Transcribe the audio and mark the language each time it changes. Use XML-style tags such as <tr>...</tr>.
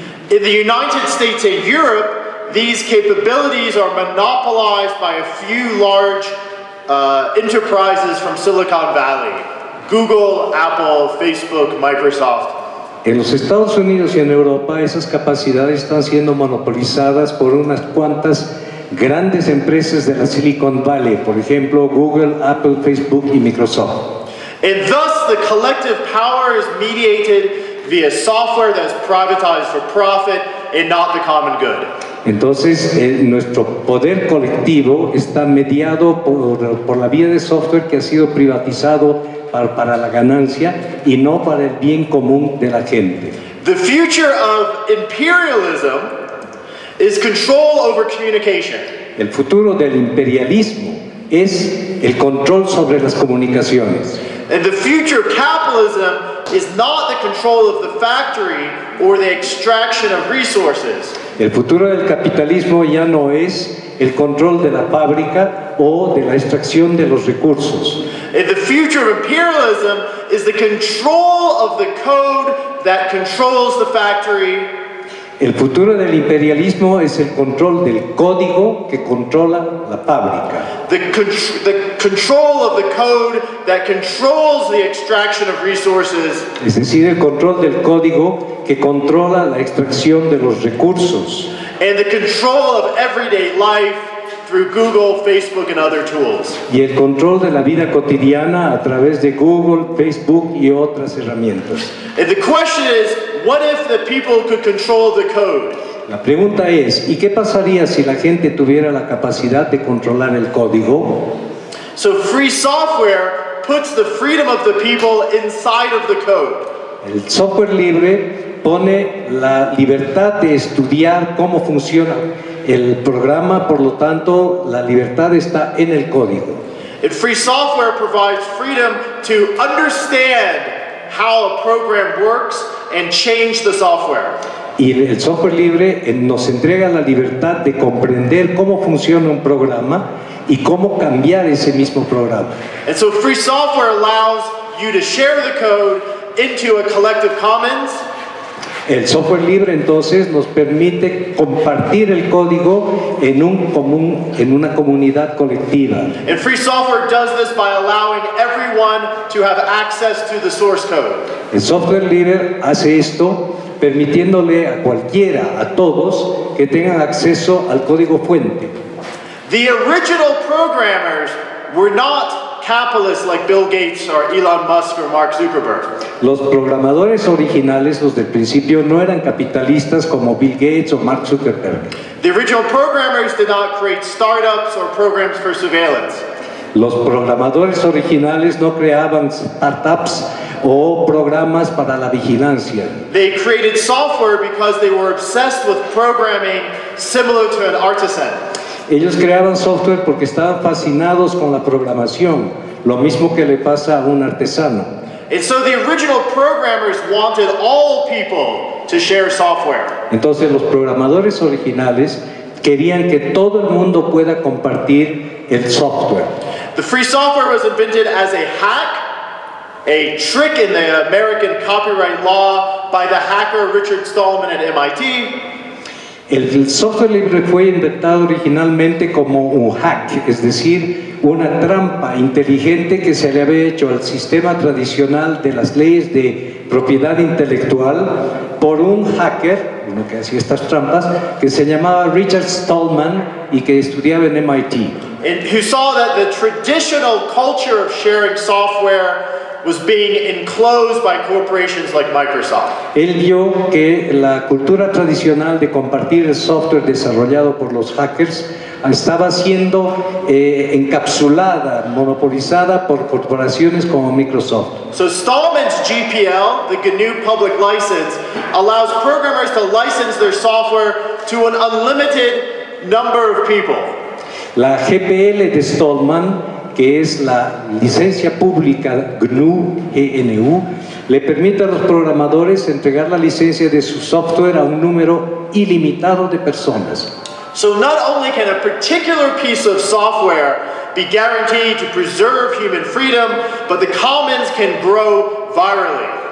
<en>In the United States and Europe, these capabilities are monopolized by a few large enterprises from Silicon Valley: Google, Apple, Facebook, Microsoft.</en> <es>En los Estados Unidos y en Europa, esas capacidades están siendo monopolizadas por unas cuantas grandes empresas de la Silicon Valley, por ejemplo, Google, Apple, Facebook y Microsoft.</es> <en>And thus, the collective power is mediated via software that's privatized for profit and not the common good.</en> <es>Entonces, nuestro poder colectivo está mediado por la vía de software que ha sido privatizado para la ganancia y no para el bien común de la gente.</es> <en>The future of imperialism is control over communication.</en> <es>El futuro del imperialismo es el control sobre las comunicaciones.</es> <en>And the future of capitalism is not the control of the factory or the extraction of resources.</en> <es>El futuro del capitalismo ya no es el control de la fábrica o de la extracción de los recursos.</es> <en>And the future of imperialism is the control of the code that controls the factory.</en> <es>El futuro del imperialismo es el control del código que controla la fábrica.</es> <en>The control of the code that controls the extraction of resources.</en> <es>Es decir, el control del código que controla la extracción de los recursos.</es> <en>And the control of everyday life through Google, Facebook, and other tools.</en> <es>Y el control de la vida cotidiana a través de Google, Facebook y otras herramientas.</es> <en>And the question is, what if the people could control the code?</en> <es>La pregunta es, ¿y qué pasaría si la gente tuviera la capacidad de controlar el código?</es> <en>So free software puts the freedom of the people inside of the code.</en> <es>El software libre pone la libertad de estudiar cómo funciona el programa, por lo tanto, la libertad está en el código.</es> <en>And free software provides freedom to understand how a program works and change the software.</en> <es>Y el software libre nos entrega la libertad de comprender cómo funciona un programa y cómo cambiar ese mismo programa.</es> <en>And so free software allows you to share the code into a collective commons.</en> <es>El software libre entonces nos permite compartir el código en un común, en una comunidad colectiva.</es> <en>And free software does this by allowing everyone to have access to the source code.</en> <es>El software libre hace esto permitiéndole a cualquiera, a todos, que tengan acceso al código fuente.</es> <en>The original programmers were not capitalists like Bill Gates or Elon Musk or Mark Zuckerberg.</en> <es>Los programadores originales, los del principio, no eran capitalistas como Bill Gates o Mark Zuckerberg.</es> <en>The original programmers did not create startups or programs for surveillance.</en> <es>Los programadores originales no creaban startups o programas para la vigilancia.</es> <en>They created software because they were obsessed with programming similar to an artisan.</en> <es>Ellos creaban software porque estaban fascinados con la programación, lo mismo que le pasa a un artesano.</es> <en>And so the original programmers wanted all people to share software.</en> <es>Entonces los programadores originales querían que todo el mundo pueda compartir el software.</es> <en>The free software was invented as a hack, a trick in the American copyright law by the hacker Richard Stallman at MIT.</en> <es>El software libre fue inventado originalmente como un hack, es decir, una trampa inteligente que se le había hecho al sistema tradicional de las leyes de propiedad intelectual por un hacker, uno que hacía estas trampas, que se llamaba Richard Stallman y que estudiaba en MIT.</es> <en>And who saw that the traditional culture of sharing software was being enclosed by corporations like Microsoft.</en> <es>Él vio que la cultura tradicional de compartir el software desarrollado por los hackers estaba siendo encapsulada, monopolizada por corporaciones como Microsoft.</es> <en>So Stallman's GPL, the GNU public license, allows programmers to license their software to an unlimited number of people.</en> <es>La GPL de Stallman, que es la licencia pública GNU, GNU, le permite a los programadores entregar la licencia de su software a un número ilimitado de personas.</es> <en>So not only can a particular piece of software be guaranteed to preserve human freedom, but the commons can grow virally.</en>